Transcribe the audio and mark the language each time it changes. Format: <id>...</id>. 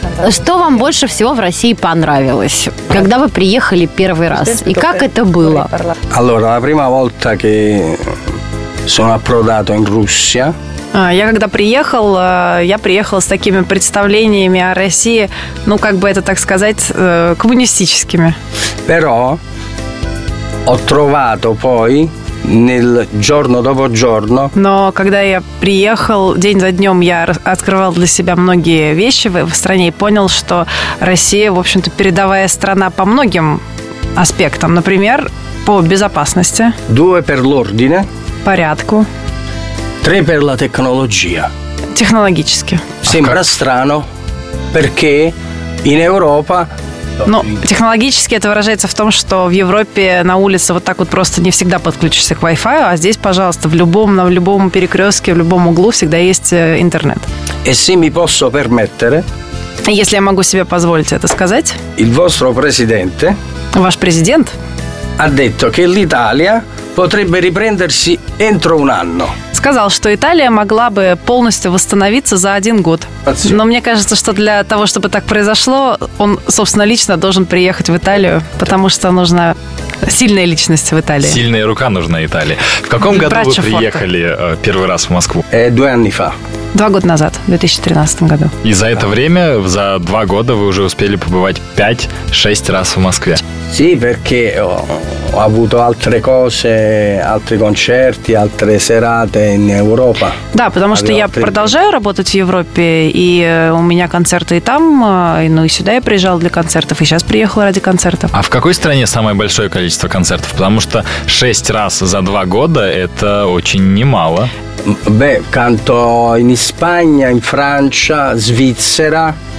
<ru>Что вам больше всего в России понравилось, когда вы приехали первый раз? И как это было?</ru> <it>Allora, la prima volta che sono approdato in Russia.</it> <ru>Я когда приехал, я приехал с такими представлениями о России, ну, как бы это так сказать, коммунистическими.</ru> <it>Però ho trovato poi nel giorno dopo giorno.</it> <ru>Но когда я приехал, день за днем я открывал для себя многие вещи в стране и понял, что Россия, в общем-то, передовая страна по многим аспектам. Например, по безопасности.</ru> <it>Due per l'ordine.</it> <ru>Порядку.</ru> <it>Tre per la tecnologia.</it> <ru>Технологически.</ru> <it>Sembra strano, perché in Europa.</it> <ru>Ну, технологически это выражается в том, что в Европе на улице вот так вот просто не всегда подключишься к Wi-Fi, а здесь, пожалуйста, в любом перекрестке, в любом углу всегда есть интернет.</ru> <it>E se mi posso permettere,</it> <ru>если я могу себе позволить это сказать,</ru> <it>il vostro presidente,</it> <ru>ваш президент,</ru> <it>ha detto che l'Italia potrebbe riprendersi entro un anno.</it> <ru>Сказал, что Италия могла бы полностью восстановиться за один год. Но мне кажется, что для того, чтобы так произошло, он, собственно, лично должен приехать в Италию, потому что нужна сильная личность в Италии. Сильная рука нужна Италии. В каком году Брачо вы приехали форта. Первый раз в Москву? Два года назад, в 2013 году. И за это время, за два года, вы уже успели побывать 5-6 раз в Москве.</ru> <it>Sì, perché ho avuto altre cose, altri concerti, altre serate in Europa.</it> <ru>Да, потому что я продолжаю работать в Европе, и у меня концерты и там, ну и сюда я приезжал для концертов, и сейчас приехал ради концертов. А в какой стране самое большое количество концертов? Потому что 6 раз за 2 года – это очень немало.</ru> <it>Beh, canto in Spagna, in Francia, Svizzera.</it>